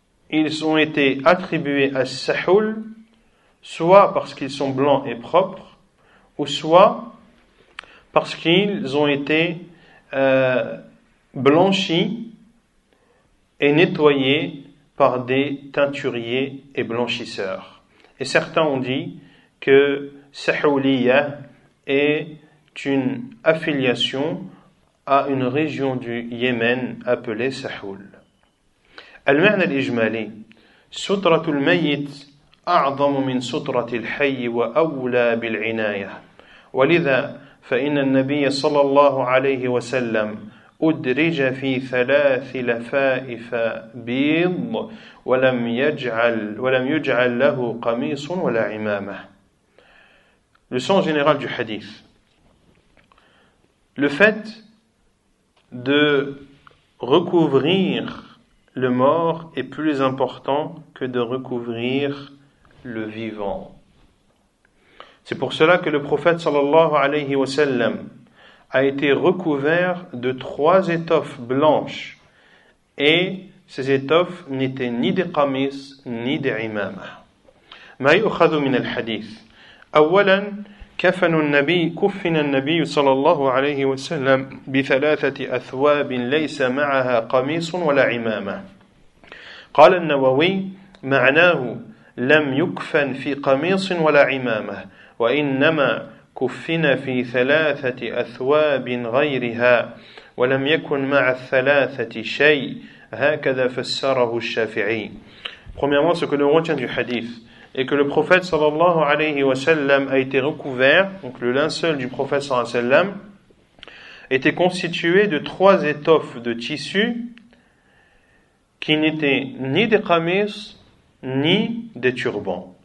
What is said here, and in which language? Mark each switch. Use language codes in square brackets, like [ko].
[fr] ils ont été attribués à Sahul, soit parce qu'ils sont blancs et propres, ou soit parce qu'ils ont été blanchis et nettoyés par des teinturiers et blanchisseurs. Et certains ont dit que Sahouliya est une affiliation à une région du Yémen appelée Sahoul. [ar] المعنى الإجمالي سترة الميت أعظم من سترة الحي وأولى بالعناية ولذا فإن النبي صلى الله عليه وسلم أدرج في ثلاث لفائف بيض ولم يجعل له قميص ولا عمامة. [fr] Le sens général du hadith. Le fait de recouvrir le mort est plus important que de recouvrir le vivant. C'est pour cela que le prophète sallallahu alayhi wa sallam a été recouvert de 3 étoffes blanches et ces étoffes n'étaient ni des qamis ni des imamah. [ar] ما يؤخذ من الحديث اولا كفن النبي صلى الله عليه وسلم بثلاثة أثواب ليس معها قميص ولا عمامة. قال النووي معناه لم يكفن في قميص ولا عمامة وإنما كفن في ثلاثة أثواب غيرها ولم يكن مع الثلاثة شيء هكذا فسره الشافعي. [fr] Premièrement, ce que l'on retient du hadith et que le prophète sallallahu alayhi wa sallam a été recouvert, donc le linceul du prophète sallallahu alayhi wa sallam, était constitué de 3 étoffes de tissu qui n'étaient ni des qamis ni des turbans.